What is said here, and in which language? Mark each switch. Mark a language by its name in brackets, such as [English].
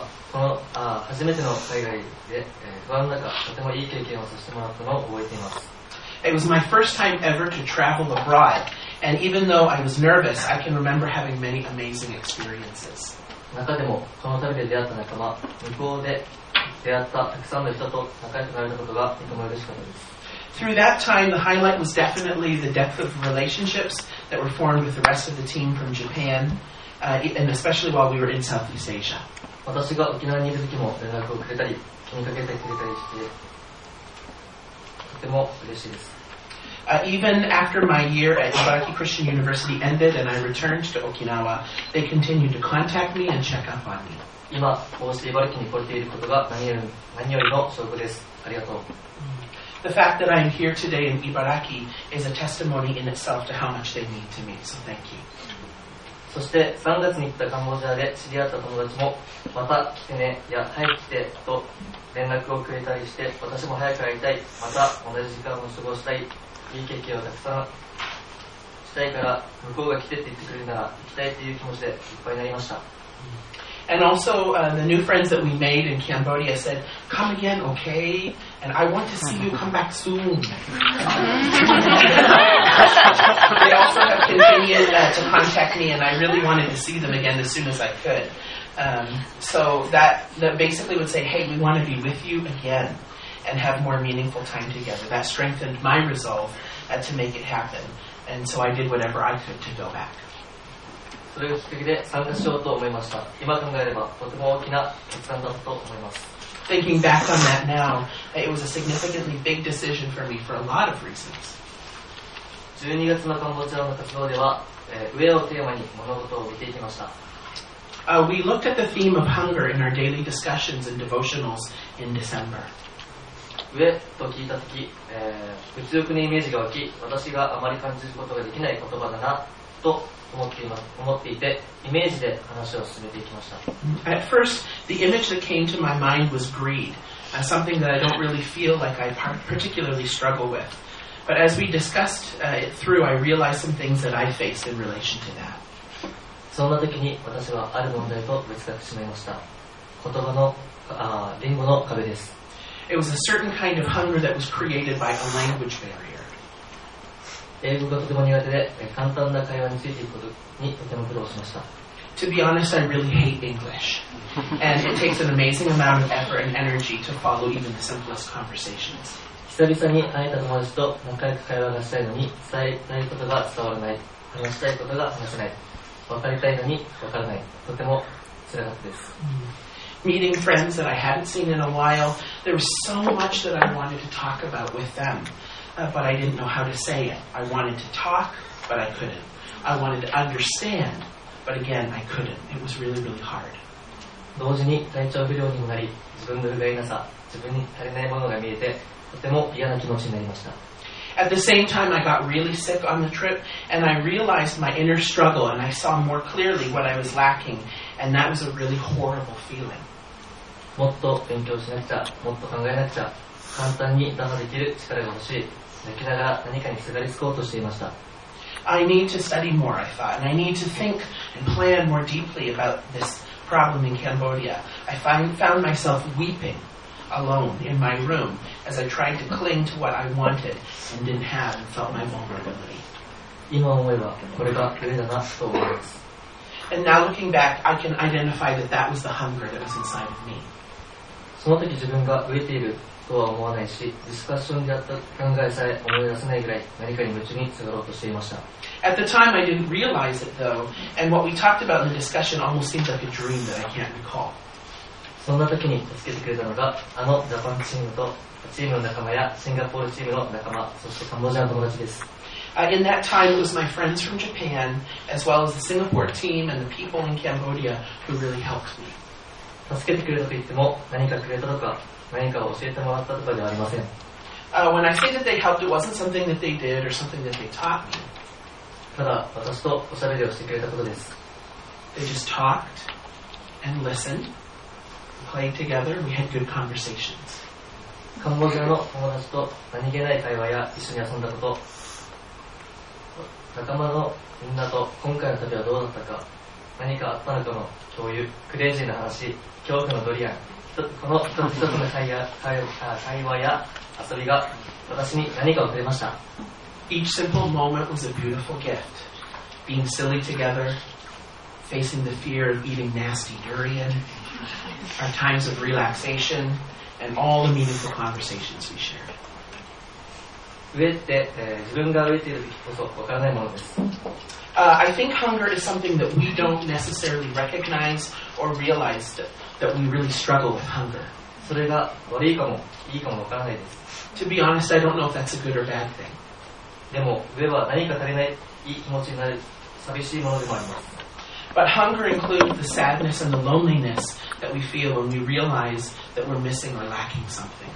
[Japanese] 初めての海外で、不安の中、とてもいい経験をさせてもらったのを覚えています。 [English] It was my first time ever to travel abroad, And even though I was nervous, I can remember having many amazing experiences. [Japanese] 中でもこの旅で出会った仲間、向こうで出会ったたくさんの人と仲良くなれたことがとても嬉しかったです。 [English] Through that time, the highlight was definitely the depth of relationships that were formed with the rest of the team from Japan, and especially while we were in Southeast Asia. [Japanese] 私が沖縄にいる時も連絡をくれたり、気にかけてくれたりして、とても嬉しいです。 [English] Even after my year at Ibaraki Christian University ended and I returned to Okinawa, they continued to contact me and check up on me. [Japanese] 今、こうして茨城に来れていることが何よりの証拠です。ありがとう。 [English] The fact that I am here today in Ibaraki is a testimony in itself to how much they mean to me, so thank you. [Japanese] そして3月に行ったカンボジアで知り合った友達も、また来てね、や、早く来てと連絡をくれたりして、私も早く会いたい、また同じ時間を過ごしたい。いい経験をたくさんしたいから向こうが来てって言ってくれるなら行きたいという気持ちでいっぱいになりました。 [English] And also, the new friends that we made in Cambodia said, come again, okay? And I want to see you come back soon. They also have continued to contact me, and I really wanted to see them again as soon as I could. So that basically would say, hey, we want to be with you again. And have more meaningful time together. That strengthened my resolve to make it happen. And so I did whatever I could to go back. [Japanese] それがきっかけで参加しようと思いました。今考えればとても大きな決断だったと思います。 [English] Thinking back on that now, it was a significantly big decision for me for a lot of reasons. [Japanese] 12月のカンボジアの活動では、上をテーマに物事を見ていきました。 [English] We looked at the theme of hunger in our daily discussions and devotionals in December. [Japanese] 上と聞いたとき、物欲のイメージが湧き、私があまり感じることができない言葉だなと思っていて、イメージで話を進めていきました。 [English] At first, the image that came to my mind was greed, something that I don't really feel like I particularly struggle with. But as we discussed it through, I realized some things that I face in relation to that. [Japanese] そんなときに私はある問題とぶつかってしまいました。言葉の、言語の壁です。 [English] It was a certain kind of hunger that was created by a language barrier. [Japanese] 英語がとても苦手で、簡単な会話についていくことにとても苦労しました。 [English] To be honest, I really hate English. And it takes an amazing amount of effort and energy to follow even the simplest conversations. [Japanese] 久々に会えた友達と仲良く会話がしたいのに、伝えたいことが伝わらない。話したいことが話せない。分かりたいのに分からない。とても辛かったです。 [English] Meeting friends that I hadn't seen in a while, there was so much that I wanted to talk about with them, but I didn't know how to say it. I wanted to talk, but I couldn't. I wanted to understand, but again, I couldn't. It was really, really hard. [Japanese] 同時に体調不良にもなり、自分の不甲斐なさ、自分に足りないものが見えて、とても嫌な気持ちになりました。 [English] At the same time, I got really sick on the trip, and I realized my inner struggle, and I saw more clearly what I was lacking, and that was a really horrible feeling. [Japanese] もっと勉強しなくちゃ、もっと考えなくちゃ、簡単に打破できる力が欲しい。泣きながら何かにすがりつこうとしていました。 [English] I need to study more, I thought, and I need to think and plan more deeply about this problem in Cambodia. I found myself weeping. Alone in my room, as I tried to cling to what I wanted and didn't have, and felt my vulnerability. [Japanese] 今思えばこれが上だなと思います。 [English] And now looking back, I can identify that that was the hunger that was inside of me. [Japanese] その時自分が飢えているとは思わないし、ディスカッションであった考えさえ思い出せないぐらい何かに夢中にすがろうとしていました。 [English] At the time, I didn't realize it though, and what we talked about in the discussion almost seems like a dream that I can't recall. [Japanese] そんな時に助けてくれたのが、あのジャパンチームとチームの仲間やシンガポールチームの仲間、そしてカンボジアの友達です。 [English] In that time, it was my friends from Japan, as well as the Singapore team and the people in Cambodia who really helped me. [Japanese] 助けてくれたと言っても、何かくれたとか、何かを教えてもらったとかではありません。 [English] When I say that they helped, it wasn't something that they did or something that they taught me. [Japanese] ただ、私とおしゃべりをしてくれたことです。 [English] They just talked and listened. Played together, we had good conversations. [Japanese] カンボジアの友達と何気ない会話や一緒に遊んだこと、仲間のみんなと今回の旅はどうだったか、何かあったのかの共有、クレイジーな話、恐怖のドリアン、この一つ一つの会話や遊びが私に何かをくれました。 [English] Each simple moment was a beautiful gift. Being silly together, facing the fear of eating nasty durian, our times of relaxation, and all the meaningful conversations we shared. [Japanese] 飢えて、自分が飢えている時こそ分からないものです。 [English] I think hunger is something that we don't necessarily recognize or realize that we really struggle with hunger. [Japanese] それが悪いかも、いいかも分からないです。 [English] To be honest, I don't know if that's a good or bad thing. [Japanese] でも、飢えは何か足りない、いい気持ちになる、寂しいものでもあります。 [English] But hunger includes the sadness and the loneliness that we feel when we realize that we're missing or lacking something.